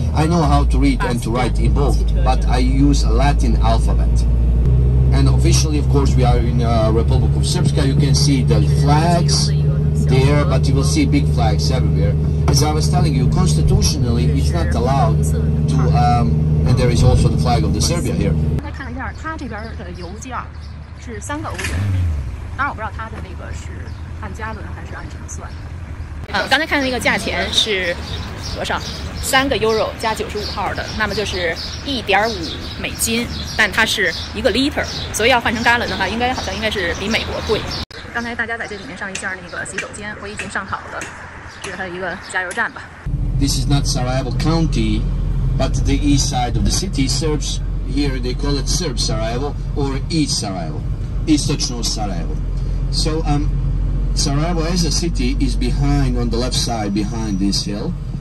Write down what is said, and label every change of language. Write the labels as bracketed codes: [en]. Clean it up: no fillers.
[en] I know how to read and to write in both, but I use a Latin alphabet. And officially, of course, we are in Republic of Srpska. You can see the flags there, but you will see big flags everywhere. As I was telling you, constitutionally, it's not allowed to... and there is also the flag of the Serbia here. [zh] 他这边的油价是3欧元，当然我不知道他的那个是按加仑还是按什么算。刚才看的那个价钱是多少？ 3 euro 加95号的，那么就是1.5美金，但它是一个 liter， 所以要换成加仑的话，应该好像应该是比美国贵。刚才大家在这里面上一下那个洗手间，我已经上好了，这是它的一个加油站吧。 [en] This is not Sarajevo County, but the east side of the city serves. Here they call it Serb Sarajevo or East Sarajevo, Istočno Sarajevo. So Sarajevo as a city is behind, on the left side, behind this hill.